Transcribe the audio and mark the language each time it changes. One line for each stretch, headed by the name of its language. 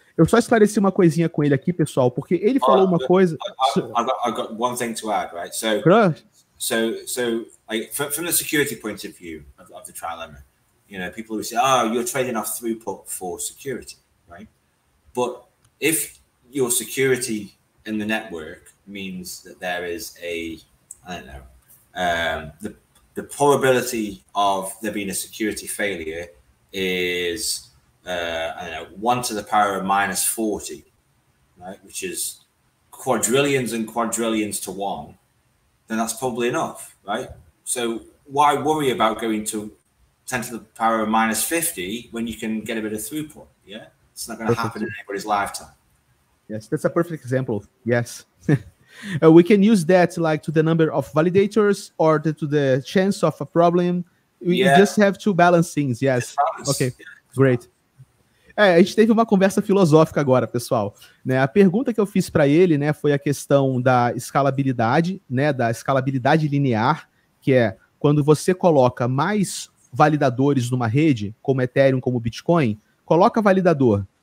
Portuguese: Eu só esclareci uma coisinha com ele aqui, pessoal, porque ele falou uma coisa.
English: I've got one thing to add, right? So, from the security point of view of the trilemma, you know, people will say, oh, you're trading off throughput for security, right? But if your security in the network means that there is a, I don't know, the probability of there being a security failure is, I don't know, 1 to the power of -40, right? Which is quadrillions and quadrillions to one, then that's probably enough, right? So why worry about going to 10 to the power of -50 when you can get a bit of throughput, yeah? It's not going to happen in anybody's lifetime. Yes, that's a perfect example. Yes. We can use that like to the number of validators or to the chance of a problem. You just have to balance things, yes. Okay, great.
Portuguese: A gente teve uma conversa filosófica agora, pessoal. Né? A pergunta que eu fiz para ele, né, foi a questão da escalabilidade, né, da escalabilidade linear, que é quando você coloca mais validadores numa rede, como Ethereum, como Bitcoin, coloca validador.